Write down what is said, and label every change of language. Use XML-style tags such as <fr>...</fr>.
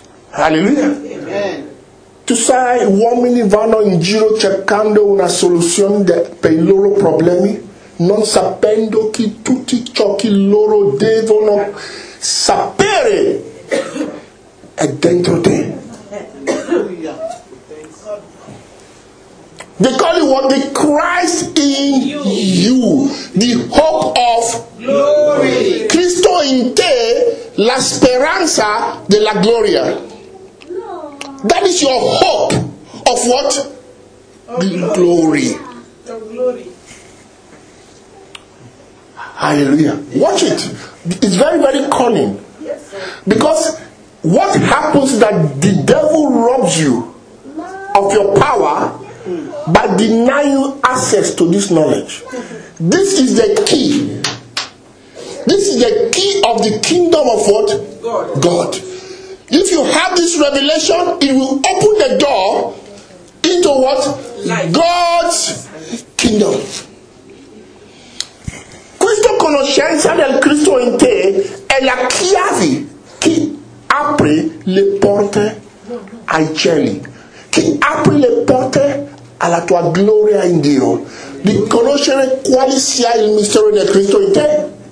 <it>Hallelujah. Tu sai, uomini vanno in giro cercando una soluzione per i loro problemi, non sapendo che tutti ciò che loro devono sapere è dentro te.</it> <en>They call it what? The Christ in you. The hope of glory.</en> <it>Cristo in te, la speranza de la gloria.</it> <en>That is your hope of what? Of glory. Hallelujah. Watch it. It's very, very cunning. Yes, sir. Because what happens is that the devil robs you of your power by denying you access to this knowledge. This is the key. This is the key of the kingdom of what? God. If you have this revelation, it will open the door into what? Life. God's kingdom.</en> <it>Questa conoscenza del Cristo in te è la chiave che apre le porte hay cieli que apri le porte alla tua gloria in Dio, di conoscere quale sia il mistero di Cristo in te.</it>